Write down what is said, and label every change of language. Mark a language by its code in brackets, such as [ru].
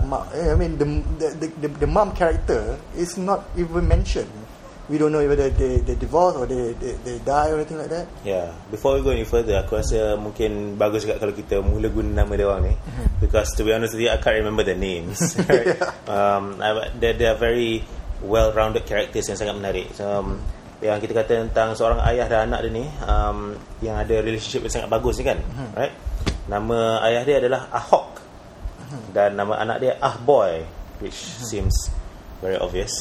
[en] Mak, I mean the mom character is not even mentioned. We don't know whether they divorce or they die or anything like that. Yeah. Before we go any further, [ms] aku rasa mungkin bagus juga kalau kita mula guna nama dia orang ni. [en] Because to be honest with you, I can't remember their names. Right? Yeah. They are very well-rounded characters [ms] yang sangat menarik. So, yang kita kata tentang seorang ayah dan anak dia ni, yang ada relationship yang sangat bagus ni, kan? [en] Right? [ms] Nama ayah dia adalah Ahok. Dan nama anak dia Ah Boy, [en] which seems very obvious.